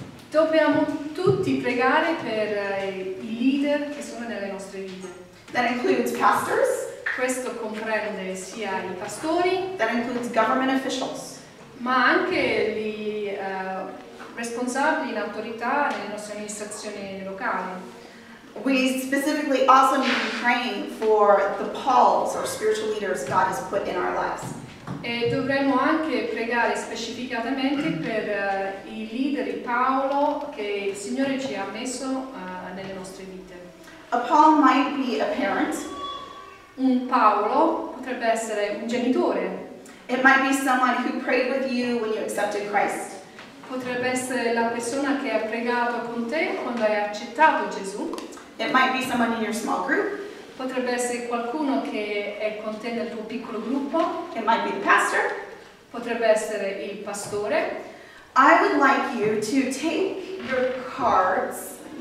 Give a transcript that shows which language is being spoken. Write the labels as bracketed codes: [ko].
[it] Dobbiamo tutti pregare per i leader che sono nelle nostre vite. [en] That includes pastors. [it] Questo comprende sia i pastori. [en] That includes government officials. [it] Ma anche gli responsabili in autorità nelle nostre amministrazioni locali. [en] We specifically also need to be praying for the Pauls, or spiritual leaders God has put in our lives. [it] E dovremmo anche pregare specificatamente per i leader di Paolo che il Signore ci ha messo nelle nostre vite. [en] A Paul might be a parent. [it] Un Paolo potrebbe essere un genitore. [en] It might be someone who prayed with you when you accepted Christ. [it] Potrebbe essere la persona che ha pregato con te quando hai accettato Gesù. [en] It might be someone in your small group. [it] Potrebbe essere qualcuno che è con te nel tuo piccolo gruppo. [en] It might be the pastor. [it] Potrebbe essere il pastore. [en] I would like you to take your cards.